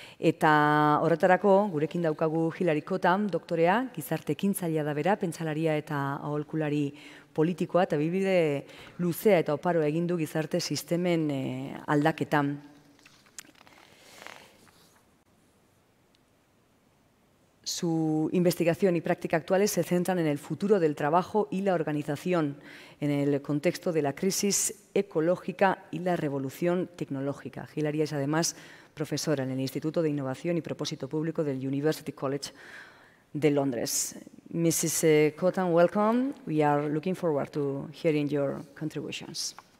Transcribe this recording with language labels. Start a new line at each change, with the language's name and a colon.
Basque: Eta horretarako, gurekin daukagu Hilary Cottam, doktorea, gizarte ekintzailea da bera, pentsalaria eta aholkulari politikoa, eta bibide luzea eta oparo egin du gizarte sistemen aldaketan.
Spanish: Su investigación y práctica actuales se centran en el futuro del trabajo y la organización en el contexto de la crisis ecológica y la revolución tecnológica. Hilary es además profesora en el Instituto de Innovación y Propósito Público del University College de Londres.
English: Mrs. Cottam, welcome. We are looking forward to hearing your contributions.